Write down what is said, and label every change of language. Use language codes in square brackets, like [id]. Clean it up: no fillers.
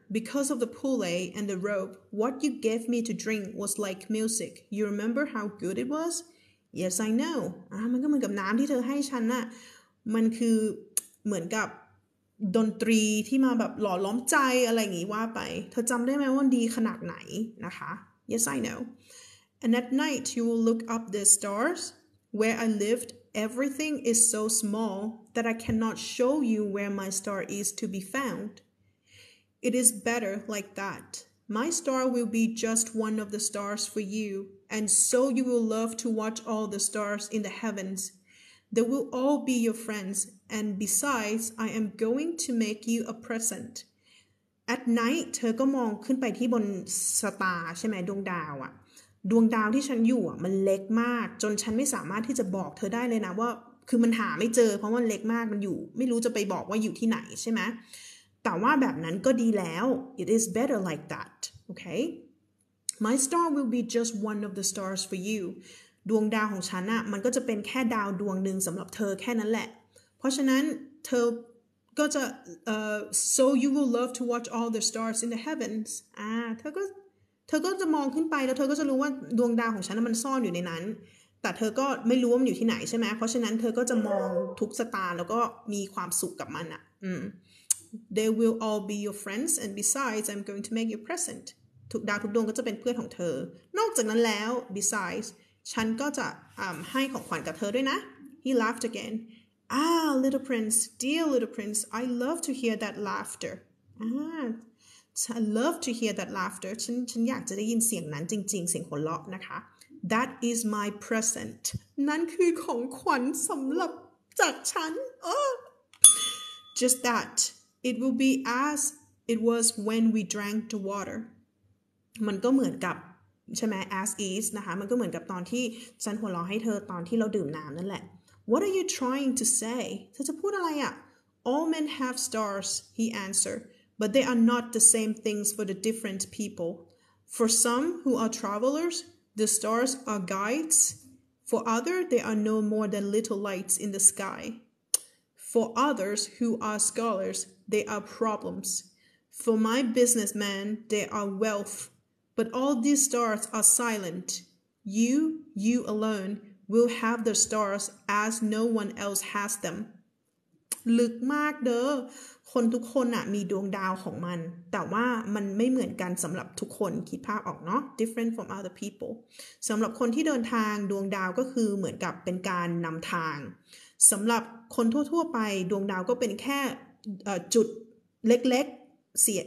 [en] Because of the pulley and the rope, what you gave me to drink was like music. You remember how good it was? Yes, I know. [th] มันก็เหมือนกับน้ำที่เธอให้ฉันน่ะมันคือเหมือนกับดนตรีที่มาแบบหล่อล้อมใจอะไรอย่างงี้ว่าไปเธอจำได้ไหมว่ามันดีขนาดไหนนะคะ [en] Yes, I know. And at night, you will look up the stars where I lived. Everything is so small that I cannot show you where my star is to be found. It is better like that. My star will be just one of the stars for you, and so you will love to watch all the stars in the heavens. They will all be your friends, and besides, I am going to make you a present. At night, [th] เธอก็มองขึ้นไปที่บนสตาร์ใช่ไหมดวงดาวอ่ะดวงดาวที่ฉันอยู่อ่ะมันเล็กมากจนฉันไม่สามารถที่จะบอกเธอได้เลยนะว่าคือมันหาไม่เจอเพราะมันเล็กมากมันอยู่ไม่รู้จะไปบอกว่าอยู่ที่ไหนใช่ไหมแต่ว่าแบบนั้นก็ดีแล้ว [en] it is better like that okay my star will be just one of the stars for you [th] ดวงดาวของฉันอ่ะมันก็จะเป็นแค่ดาวดวงนึงสำหรับเธอแค่นั้นแหละเพราะฉะนั้นเธอก็จะ [en] so you will love to watch all the stars in the heavens [th] เธอก็จะมองขึ้นไปแล้วเธอก็จะรู้ว่าดวงดาวของฉันมันซ่อนอยู่ในนั้นแต่เธอก็ไม่รู้ว่ามันอยู่ที่ไหนใช่ไหมเพราะฉะนั้นเธอก็จะมองทุกสตาร์แล้วก็มีความสุขกับมันอ่ะ [en] They will all be your friends and besides I'm going to make you a present [th] ทุกดาวทุกดวงก็จะเป็นเพื่อนของเธอนอกจากนั้นแล้ว besides ฉันก็จะให้ของขวัญกับเธอด้วยนะ [en] He laughed again Ah little prince dear little prince I love to hear that laughter I love to hear that laughter. [th] ฉันอยากจะได้ยินเสียงนั้นจริงๆเสียงหัวเราะนะคะ [en] That is my present. [th] นั่นคือของขวัญสำหรับจากฉัน [en] Just that. It will be as it was when we drank the water. [th] มันก็เหมือนกับใช่ไหม [en] as is [th] นะคะมันก็เหมือนกับตอนที่ฉันหัวเราะให้เธอตอนที่เราดื่มน้ำนั่นแหละ [en] What are you trying to say? [th] เธอจะพูดอะไรอ่ะ [en] All men have stars, he answered. But they are not the same things for the different people. For some who are travelers, the stars are guides. For others, they are no more than little lights in the sky. For others who are scholars, they are problems. For my businessmen, they are wealth. But all these stars are silent. You alone, will have the stars as no one else has them. [th] ลึกมากเด้อคนทุกคนน่ะมีดวงดาวของมันแต่ว่ามันไม่เหมือนกันสำหรับทุกคนคิดภาพออกเนาะ [en] different from other people [th] สำหรับคนที่เดินทางดวงดาวก็คือเหมือนกับเป็นการนำทางสำหรับคนทั่วๆไปดวงดาวก็เป็นแค่จุดเล็กๆ